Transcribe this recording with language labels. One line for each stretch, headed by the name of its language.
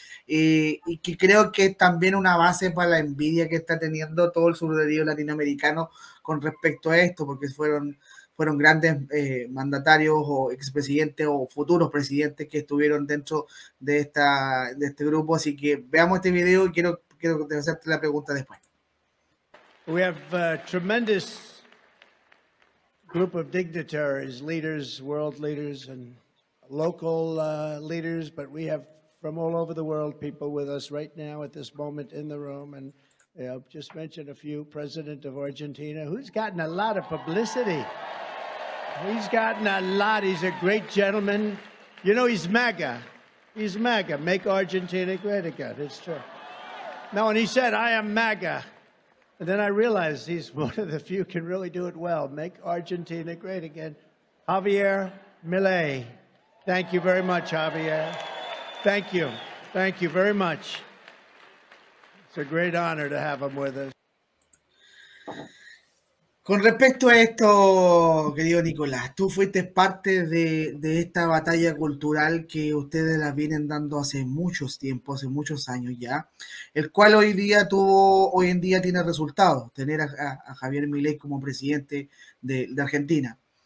Spanish: Y que creo que es también una base para la envidia que está teniendo todo el surderío latinoamericano con respecto a esto, porque fueron grandes mandatarios o expresidentes o futuros presidentes que estuvieron dentro de este grupo. Así que veamos este video y quiero hacerte la pregunta después.
English: We have a tremendous group of dignitaries, leaders, world leaders and local leaders, but we have from all over the world, people with us right now at this moment in the room. And I'll just mention a few. President of Argentina, who's gotten a lot of publicity. He's gotten a lot. He's a great gentleman. You know, he's MAGA. He's MAGA. Make Argentina great again. It's true. Now, and he said, I am MAGA. And then I realized he's one of the few can really do it well. Make Argentina great again. Javier Milei. Thank you very much, Javier. Thank you. Thank you very much. It's a great honor to have him with us.
Spanish: Con respecto a esto, querido Nicolás, tú fuiste parte de esta batalla cultural que ustedes la vienen dando hace muchos tiempos, hace muchos años ya, el cual hoy en día tiene resultados, tener a Javier Milei como presidente de Argentina.